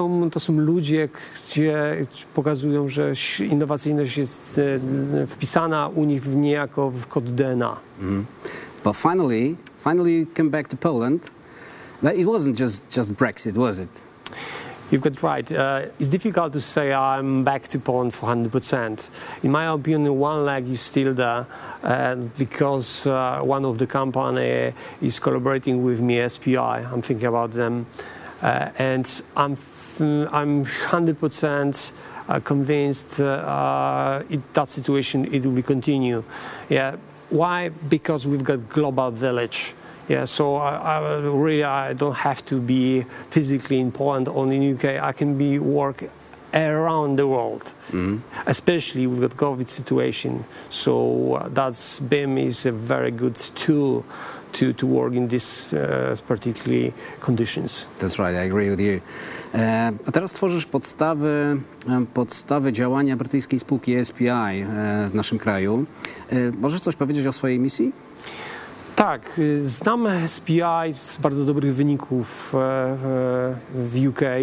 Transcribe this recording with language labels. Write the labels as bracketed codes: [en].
[pl] To są ludzie, gdzie pokazują, że innowacyjność jest wpisana u nich niejako w kod DNA. [en] But finally you came back to Poland. But it wasn't just Brexit, was it? You've got right. It's difficult to say I'm back to Poland for 100%. In my opinion, one leg is still there because one of the company is collaborating with me, SPI. I'm thinking about them. And I'm 100% convinced that situation, it will continue. Yeah. Why? Because we've got global village. Yeah, so I really don't have to be physically in Poland or in UK. I can be work around the world, especially we've got COVID situation. So that's BIM is a very good tool to work in this particularly conditions. That's right, I agree with you. [pl] A teraz tworzysz podstawy działania brytyjskiej spółki SPI w naszym kraju. Możesz coś powiedzieć o swojej misji? Tak, znam SPI z bardzo dobrych wyników w UK.